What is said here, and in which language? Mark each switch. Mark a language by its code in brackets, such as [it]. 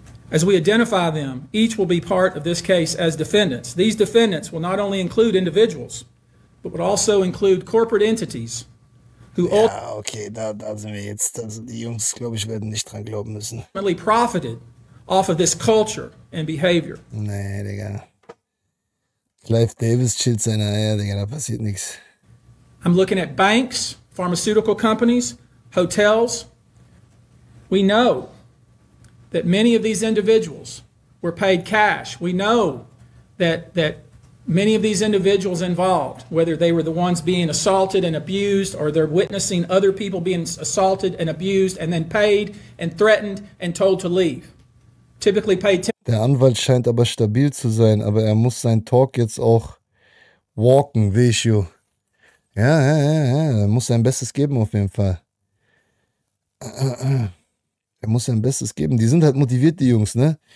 [en] As we identify them, each will be part of this case as defendants. These defendants will not only include individuals, but will also include corporate entities who ultimately profited off of this culture and behavior. [de] Nee, Digga. Clive Davis chillt seine Eier, Digga, da passiert nichts. [en] I'm looking at banks, pharmaceutical companies, hotels. We know that many of these individuals were paid cash. We know that Many of these individuals involved, whether they were the ones being assaulted and abused or they're witnessing other people being assaulted and abused and then paid and threatened and told to leave. Typically paid. [de] Der Anwalt scheint aber stabil zu sein, aber er muss seinen Talk jetzt auch walken, wie ich. Ja, er muss sein Bestes geben auf jeden Fall. Er muss sein Bestes geben. Die sind halt motiviert, die Jungs, ne?